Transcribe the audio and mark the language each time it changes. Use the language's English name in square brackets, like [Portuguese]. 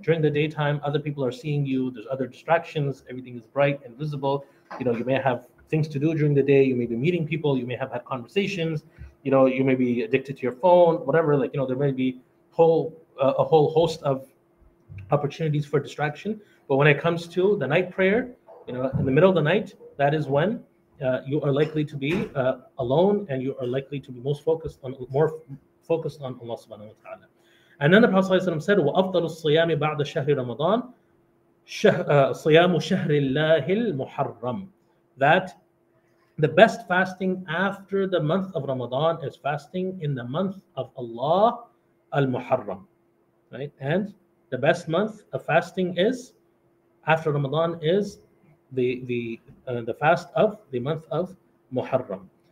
[English] During the daytime, other people are seeing you, there's other distractions, everything is bright and visible, you know, you may have things to do during the day, you may be meeting people, you may have had conversations, you know, you may be addicted to your phone, whatever, like, you know, there may be a whole host of opportunities for distraction. But when it comes to the night prayer, you know, in the middle of the night, that is when you are likely to be alone, and you are likely to be more focused on Allah subhanahu wa ta'ala. And then the Prophet ﷺ said, [Arabic] وَأَفْضَلُ الصِّيَامِ بَعْدَ شَهْرِ رَمَضَانِ صِيَامُ شَهْرِ اللَّهِ الْمُحَرَّمِ. [English] That the best fasting after the month of Ramadan is fasting in the month of Allah al-Muharram, right? And the best month of fasting is after Ramadan is the fast of the month of Muharram.